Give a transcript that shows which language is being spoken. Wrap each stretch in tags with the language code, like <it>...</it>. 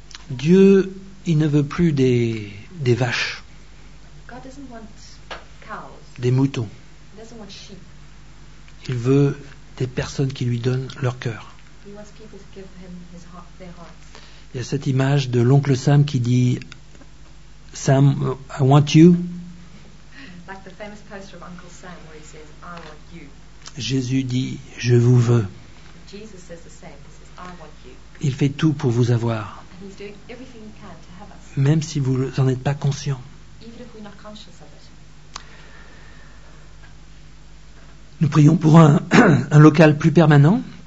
<fr>Dieu, il ne veut plus des vaches,</fr> <en>God doesn't want cows.</en> <fr>Des moutons.</fr> <en>He doesn't want sheep.</en> <fr>Il veut des personnes qui lui donnent leur cœur.</fr> <en>He wants people to give him his heart, their hearts.</en> <fr>Il y a cette image de l'oncle Sam qui dit Sam,</fr> <en>I want you. Like the famous poster of Uncle Sam where he says, I want you.</en> <fr>Jésus dit, je vous veux.</fr> <en>Jesus says the same. He says, I want you.</en> <fr>Il fait tout pour vous avoir.</fr> <en>And he's doing everything he can to have us.</en> <fr>même si vous n'en êtes pas conscient.</fr> <en>Even if we're not conscious of it.</en> <fr>Nous prions pour un local plus permanent.</fr>